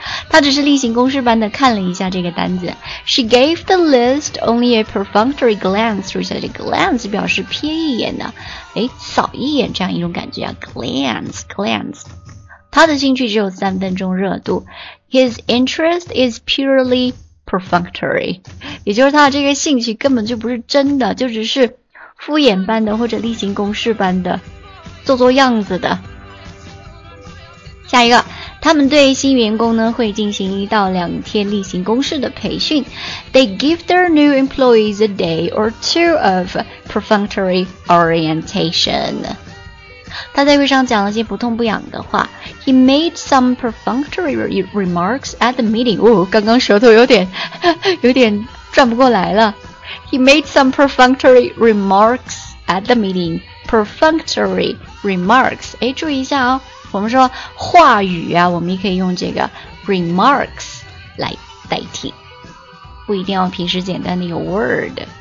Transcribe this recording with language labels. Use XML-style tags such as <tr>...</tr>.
<zh>他只是例行公事般的看了一下这个单子。</zh> <en>She gave the list only a perfunctory glance.</en> <zh>注意一下这 glance 表示瞥一眼的，诶，扫一眼这样一种感觉啊。</zh> <en>glance.</en> <zh>他的兴趣只有三分钟热度。</zh> <en>His interest is purely perfunctory.</en> <zh>也就是他的这个兴趣根本就不是真的，就只是敷衍般的或者例行公事般的做做样子的。下一个，他们对新员工呢会进行一到两天例行公事的培训。</zh> <en>They give their new employees a day or two of perfunctory orientation.</en> <zh>他在会上讲了些不痛不痒的话。</zh> <en>He made some perfunctory remarks at the meeting.</en> <zh>哦，刚刚舌头有点转不过来了。</zh> <en>He made some perfunctory remarks at the meeting. Perfunctory remarks.</en> <zh>诶，注意一下哦。我们说话语啊，我们也可以用这个 remarks 来代替，不一定要平时简单的有 word。</zh>